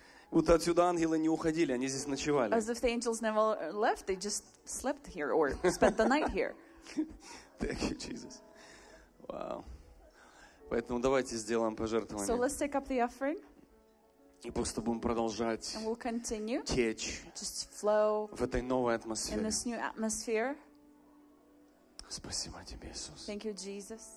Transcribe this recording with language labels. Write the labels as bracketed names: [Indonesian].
[Russian] Будто отсюда ангелы не уходили, они здесь ночевали. [English] As if the angels never left, they just slept here or spent the night here. Thank you, Jesus. Wow. [Russian] Поэтому давайте сделаем пожертвование. [English] So let's take up the offering. [Russian] И просто будем продолжать [English] and we'll continue [Russian] течь [English] just flow [Russian] в этой новой атмосфере. [English] In this new atmosphere. [Russian] Спасибо тебе, Иисус. [English] Thank you, Jesus.